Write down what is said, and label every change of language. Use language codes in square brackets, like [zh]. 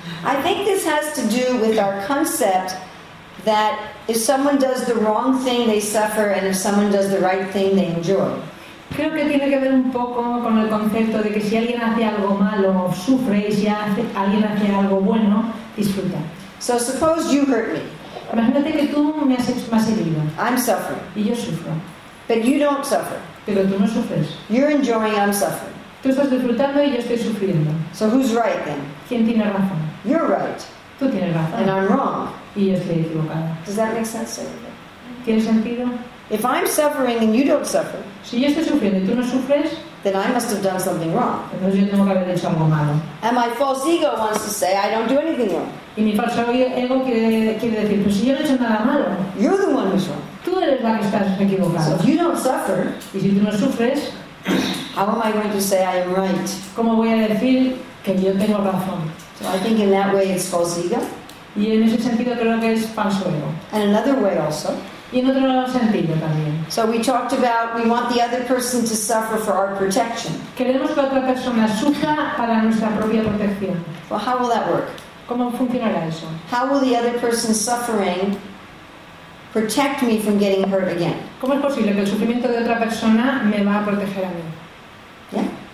[en] I think this has to do with our concept that if someone does the wrong thing, they suffer, and if someone does the right thing, they enjoy. [es] Creo que tiene que ver un poco con el concepto de que si alguien hace algo malo sufre, y si alguien hace algo bueno disfruta. [en] So suppose you hurt me. [es] Imagínate que tú me has hecho más herido. [en] I'm suffering. [es] Y yo sufro. [en] But you don't suffer. [es] Pero tú no sufres. [en] You're enjoying. I'm suffering. [es] Tú estás disfrutando y yo estoy sufriendo. [en] So who's right then? [es] ¿Quién tiene razón? [en] You're right. [es] Tú tienes razón. [en] And I'm wrong. [es] Y yo estoy equivocada. [en] Does that make sense to everybody? [es] ¿Tiene sentido? [en] If I'm suffering and you don't suffer, [es] si yo estoy sufriendo y tú no sufres, [en] then I must have done something wrong. [es] Entonces yo tengo que haber hecho algo malo. [en] And my false ego wants to say I don't do anything wrong. [es] Y mi falso ego quiere decir, pues si yo no he hecho nada malo. [en] You're the one who's wrong. [es] Tú eres la que estás equivocada. [en] So if you don't suffer, [es] y si tú no sufres, [en] how am I going to say I am right? [es] ¿Cómo voy a decir que yo tengo razón? [en] So I think in that way it's false ego. [es] Y en ese sentido creo que es falso ego. [en] And another way also. [es] Y en otro sentido también. [en] So we talked about we want the other person to suffer for our protection. [es] Queremos que otra persona sufra para nuestra propia protección. [en] Well, how will that work? [es] ¿Cómo funcionará eso? [en] How will the other person's suffering protect me from getting hurt again? [es] ¿Cómo es posible que el sufrimiento de otra persona me va a proteger a mí?